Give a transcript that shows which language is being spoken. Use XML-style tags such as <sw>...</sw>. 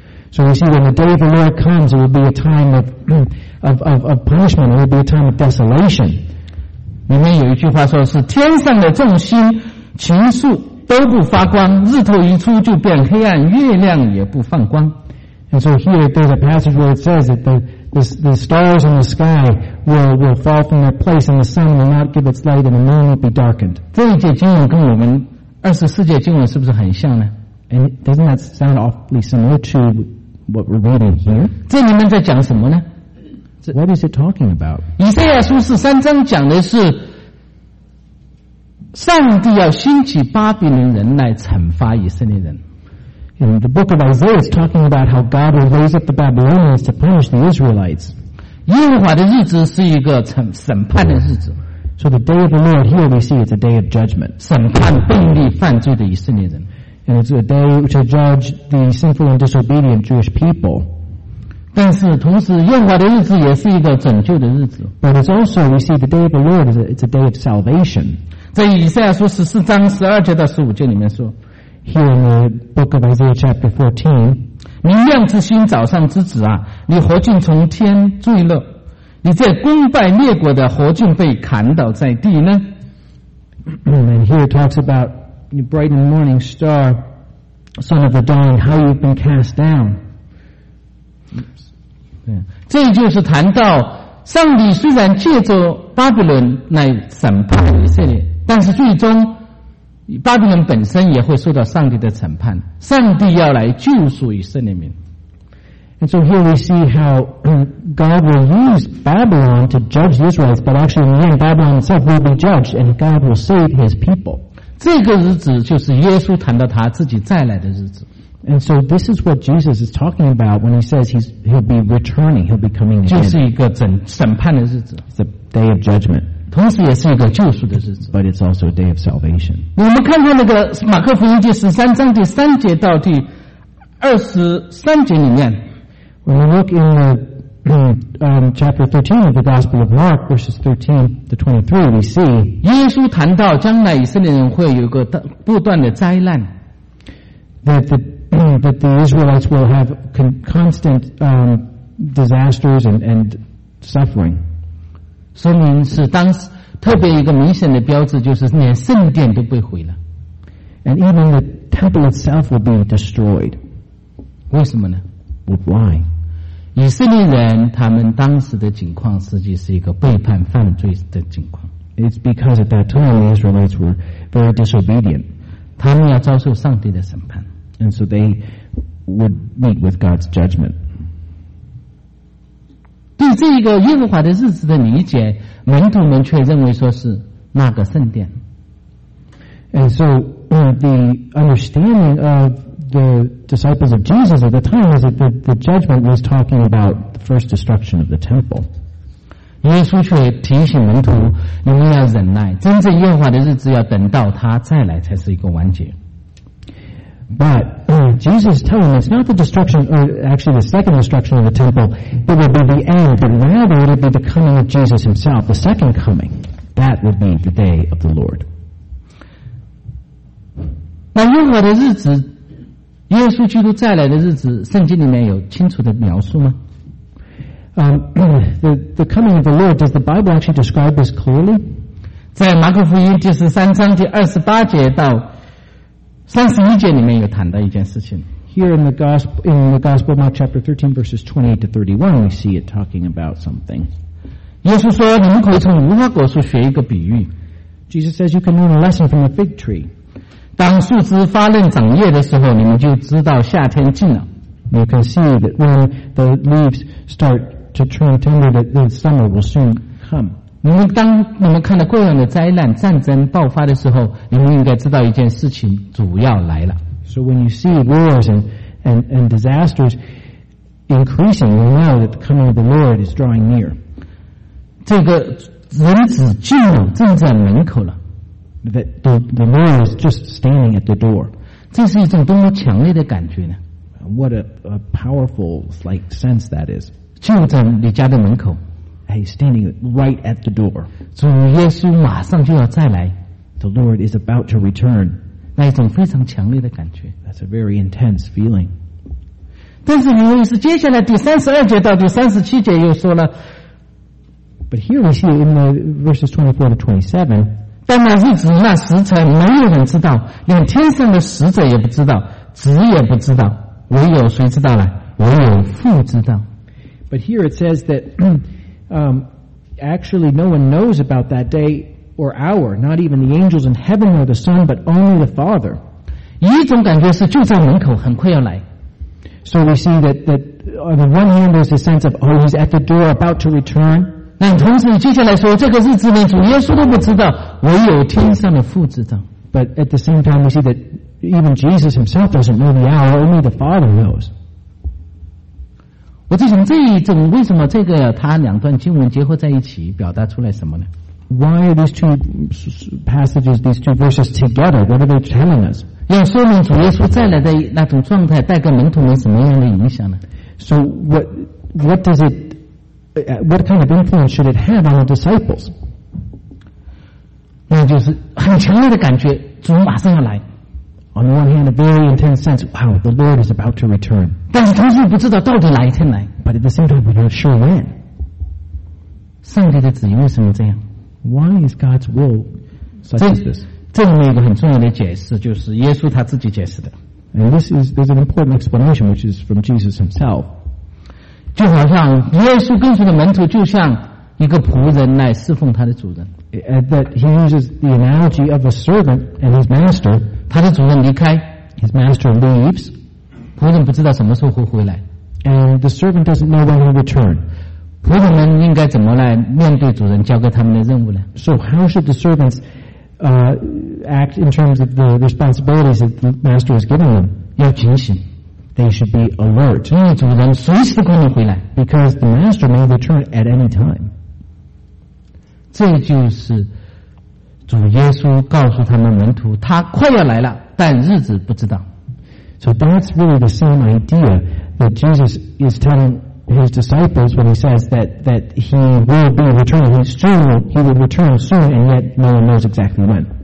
<en>So we see when the day of the Lord comes, it will be a time of punishment. It will be a time of desolation.</en> <zh>里面有一句话说是天上的众星群宿都不发光，日头一出就变黑暗，月亮也不放光。</zh> <en>And so here there's a passage where it says that the stars in the sky will fall from their place and the sun will not give its light and the moon will be darkened.</en> <zh>这一节经文跟我们二十四节经文是不是很像呢？</zh> <en>And doesn't that sound awfully similar to what we're reading here?</en> <zh>这里面在讲什么呢？</zh> <en>What is it talking about?</en> <zh>以赛亚书十三章讲的是上帝要兴起巴比伦人来惩罚以色列人。</zh> <en>In the book of Isaiah is talking about how God will raise up the Babylonians to punish the Israelites.</en> <zh>耶和华的日子是一个审判的日子。</zh> <en>So the day of the Lord here we see is a day of judgment.</en> <zh>审判悖逆犯罪的以色列人。</zh> <en>And it's a day to judge the sinful and disobedient Jewish people.</en> <zh>但是同时耶和华的日子也是一个拯救的日子。</zh> <en>But it's also, we see the day of the Lord is it's a day of salvation.</en> <zh>在以赛亚书十四章十二节到十五节里面说</zh> <en>Here in the book of Isaiah chapter 14.</en> <zh>明亮之星早上之子啊你何竟从天坠落你在公拜列国的何竟被砍倒在地呢</zh> <en>And here it talks about your bright and morning star, son of the dawn, how you've been cast down.</en> <zh>这就是谈到上帝虽然借着巴比伦来审判以色列但是最终巴比伦本身也会受到上帝的审判上帝要来救赎以色列民</zh> <en>And so here we see how God will use Babylon to judge the Israelites but actually in the end Babylon itself will be judged and God will save his people</en> <zh>这个日子就是耶稣谈到他自己再来的日子</zh> <en>And so this is what Jesus is talking about when he says he'll be returning he'll be coming again</en> <zh>就是一个审判的日子</zh> <en>It's a day of judgment</en> <zh>同时也是一个救赎的日子</zh> <en>But it's also a day of salvation</en> <zh>我们看看那个马可福音第十三章第三节到第二十三节里面</zh> <en>When we look in the, chapter 13 of the Gospel of Mark verses 13 to 23 we see</en> <zh>耶稣谈到将来以色列人会有个不断的灾难</zh> <en>that the Israelites will have constant disasters and suffering</en> <zh>说明是当时特别一个明显的标志就是连圣殿都被毁了</zh> <en>And even the temple itself will be destroyed</en> <zh>为什么呢</zh> <en>Why</en> <zh>以色列人他们当时的情况实际是一个背叛犯罪的情况</zh> <en>It's because at that time the Israelites were very disobedient</en> <zh>他们要遭受上帝的审判</zh> <en>And so they would meet with God's judgment</en> <zh>对这一个耶和华的日子的理解门徒们却认为说是那个圣殿</zh> <en>And so the understanding of the disciples of Jesus at the time was that the judgment was talking about the first destruction of the temple</en> <zh>耶稣却提醒门徒你们要忍耐真正耶和华的日子要等到他再来才是一个完结</zh> <en>ButJesus is telling us not the destruction or actually the second destruction of the temple it will be the end but rather it will be the coming of Jesus himself the second coming that would be the day of the Lord</en> <zh>那耶和华的日子耶稣基督再来的日子圣经里面有清楚的描述吗</zh> <en>the coming of the Lord does the Bible actually describe this clearly</en> <zh>在马可福音第十三章第二十八节到三十一节里面有谈到一件事情。</zh> <en>Here in the gospel, of Mark chapter 13, verses 28 to 31, we see it talking about something.</en> <zh>耶稣说：“你们可以从无花果树学一个比喻。”</zh> <en>Jesus says, "You can learn a lesson from a fig tree."</en> <zh>当树枝发嫩长叶的时候，你们就知道夏天近了。</zh> <en>You can see that when the leaves start to turn tender, that the summer will soon come.</en> <zh>你们当你们看到各样的灾难战争爆发的时候你们应该知道一件事情主要来了</zh> <en>So when you see wars and disasters increasing you know that the coming of the Lord is drawing near</en> <zh>这个人子进了正在门口了</zh> <en>That the Lord is just standing at the door</en> <zh>这是一种多么强烈的感觉呢</zh> <en>What a powerful like sense that is</en> <zh>就在你家的门口</zh> <en>He's standing right at the door.</en> <zh>主耶稣马上就要再来。</zh> <en>The Lord is about to return.</en> <zh>那一种非常强烈的感觉。</zh> <en>That's a very intense feeling.</en> <zh>但是因为是接下来第三十二节到第三十七节又说了。</zh> <en>But here we see in the verses 24 to 27.</en> <zh>但那日子那时辰没有人知道，连天上的使者也不知道，子也不知道，唯有谁知道呢？唯有父知道。</zh> <en>But here it says that. Actually no one knows about that day or hour not even the angels in heaven or the Son but only the Father</en> <zh>一种感觉是就在门口很快要来</zh> <en>So we see that on the one hand, there's a sense of, oh, he's at the door, about to return.</en> <zh>那同时接下来说，这个日子呢，主耶稣都不知道，唯有天上的父知道。</zh> <en>But at the same time, we see that even Jesus himself doesn't know the hour, only the Father knows.</en> <zh>我就想这一种为什么这个他两段经文结合在一起，表达出来什么呢？</zh> <en>Why are these two passages, these two verses together? What are they telling us?</en> <zh>要说明主耶稣再来的那种状态带给门徒们什么样的影响呢？</zh> <en>So what kind of influence should it have on the disciples?</en> <zh>那就是很强烈的感觉，主马上要来。</zh> <en>On the one hand, a very intense sense, wow, the Lord is about to return.</en> <zh>但是同时不知道到底哪一天来。</zh> <en>But at the same time, we're not sure when.</en> <zh>上帝的旨意为什么这样？</zh> <en>Why is God's will such as this?</en> <zh>这里面有个很重要的解释，就是耶稣他自己解释的。</zh> <en>And there's an important explanation which is from Jesus himself.</en> <zh>就好像耶稣跟随的门徒就像一个仆人来侍奉他的主人。</zh> <en>That he uses the analogy of a servant and his master.</en> <zh>他的主人离开。</zh> <en>His master leaves.</en> <zh>仆人不知道什么时候会回来。</zh> <en>And the servant doesn't know when he'll return.</en> <zh>仆人们应该怎么来面对主人交给他们的任务呢？</zh> <en>So how should the servants act in terms of the responsibilities that the master has given them?</en> <zh>要警醒。</zh> <en>They should be alert.</en> <zh>因为主人随时可能回来。</zh> <en>Because the master may return at any time.</en> <zh>这就是主耶稣告诉他们门徒，他快要来了，但日子不知道。</zh> <en>So that's really the same idea that Jesus is tellingHis disciples, when he says that he will be returning, he will return soon, and yet no one knows exactly when.</en>